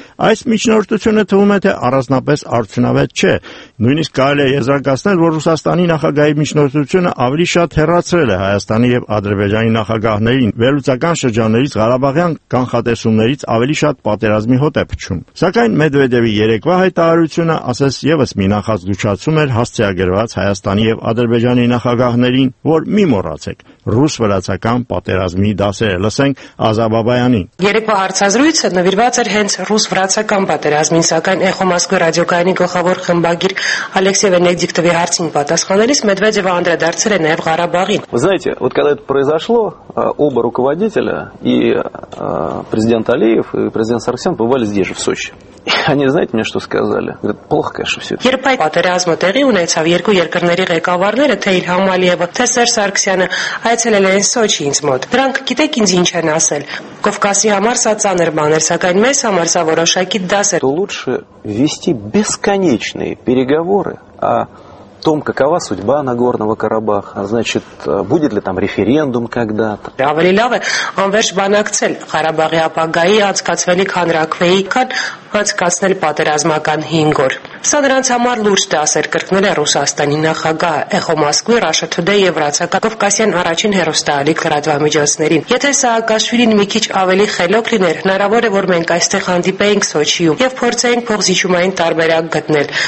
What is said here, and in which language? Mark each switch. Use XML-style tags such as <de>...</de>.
<hy>այս միջնորդությունը թվում է թե առանձնապես արդյունավետ չէ։ Նույնիսկ կարելի է եզրակացնել, որ Ռուսաստանի նախագահի միջնորդությունը ավելի շատ հեռացրել է Հայաստանի և Ադրբեջանի նախագահներին, վերլուծական շրջաններից Ղարաբաղյան կանխատեսումներից ավելի շատ պատերազմի հոտ է փչում։ Սակայն Մեդվեդևի երեկվա հայտարարությունը, ասես ևս մի նախազգուշացում էր հասցեագրված Հայաստանի և Ադրբեջանի նախագահներին, որ մի մոռացեք, ռուս-վրացական պատերազմի դասերը, լսենք Ազա Բաբայանին։ Երեկվա հարցազրույցը նվիրված էր հենց ռուս-վրացական պատերազմին, սակայն Էխո Մոսկվայի ռադիոկայանի գլխավոր խմբագիր Ալեքսեյ Վենեդիկտովի հարցին պատասխանելիս Մեդվեդևը անդրադարձել է նաև Ղարաբաղին։</hy> <ru>Вы знаете, вот когда это произошло, оба руководителя и президент Алиев и президент Саркисян побывали здесь же в Сочи. Они, знаете, мне что сказали? Говорят, плохо, конечно, все это.</ru> <hy>Երբ այդ պատերազմը տեղի ունեցավ, երկու երկրների ղեկավարները, թե Իլհամ Ալիևը, թե Սերժ Սարգսյանը, այցելել են Սոչի ինձ մոտ։ Դրանք գիտեք ինձ ինչ են ասել։ Կովկասի համար սա ծանր բան էր, սակայն մեզ համար սա որոշակի դաս էր։</hy> <ru>То лучше вести бесконечные переговоры о том, какова судьба Нагорного Карабаха, значит, будет ли там референдум когда-то.</ru> <hy>Ավելի լավ է անվերջ բանակցել Ղարաբաղի ապագայի անցկացվելիք հանրաքվեի, քան անցկացնել պատերազմական 5 օր։ Սա նրանց համար լուրջ դաս էր, կրկնել է Ռուսաստանի նախագահ Էխո Մոսկվայի, Russia Today և Վրացական Կովկասյան առաջին հեռուստաալիք լրատվամիջոցներին։ Եթե Սաակաշվիլին մի քիչ ավելի խելոք լիներ, հնարավոր է, որ մենք այստեղ հանդիպեինք Սոչիում և փորձեինք փոխզիջումային տարբերակ գտնել։</hy>